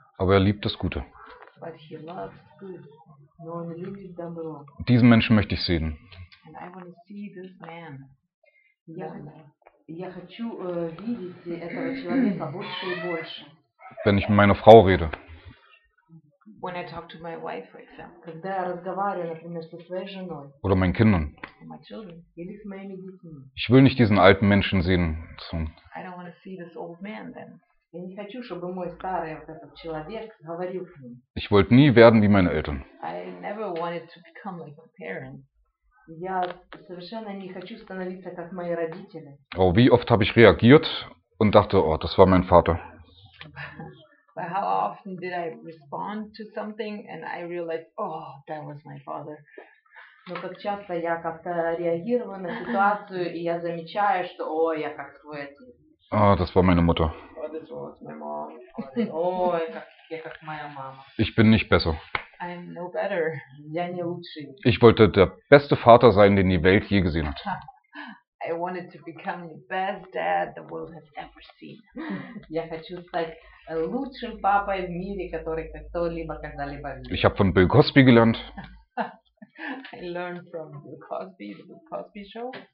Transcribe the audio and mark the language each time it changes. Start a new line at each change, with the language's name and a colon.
German: Aber er liebt das Gute.
English: But he loves good.
Russian: Но он любит добро.
German: Diesen Menschen möchte ich sehen.
English: And I want to see this man.
Russian: Я хочу видеть этого человека больше и больше.
German: Wenn ich mit meiner Frau rede.
English: When I talk to my wife, for example.
Russian: Когда я разговариваю, например, со своей женой.
German: Oder meinen Kindern.
English: Or my children.
Russian: Или с моими детьми.
German: Ich will nicht diesen alten Menschen sehen. So.
English: I don't want to see this old man then.
Russian: Я не хочу, чтобы мой старый вот этот человек говорил к ним.
German: Ich wollte nie werden wie meine Eltern.
English: I never wanted to become like my parents.
Russian: Я совершенно не хочу становиться как мои родители.
German: Oh, wie oft habe ich reagiert und dachte, oh, das war mein Vater.
English: But how often did I respond to something and I realized, oh, that was my father.
Russian: Но как часто я как-то реагировала на ситуацию и я замечаю, что, о, я как твой отец.
German: Oh, das war meine Mutter. Oh, das war meine Mama. Oh,
Russian: я как моя мама.
German: Ich bin nicht besser.
English: I'm no better.
Russian: Я не лучше.
German: Ich wollte der beste Vater sein, den die Welt je gesehen hat.
English: I wanted to become the best dad the world has ever seen.
Russian: Я хочу стать лучшим папой в мире, который кто-либо когда-либо видел.
German: Ich habe von Bill Cosby gelernt.
English: I learned from Bill Cosby, the Bill Cosby show.